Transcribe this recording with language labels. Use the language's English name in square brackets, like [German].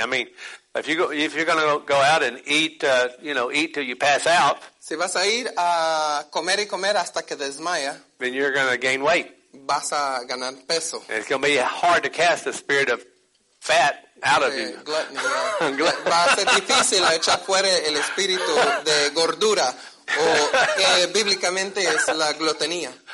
[English] I mean, if you're going to go out and eat till you pass out. [Spanish] Si vas a ir a comer y comer hasta que desmaya. [English] Then you're going to gain weight. [Spanish] Vas a ganar peso. [English] And it's going to be hard to cast the spirit of fat out of you. Gluttony. [Spanish] Va a ser difícil echar fuera el espíritu de gordura o que bíblicamente es la glotonía.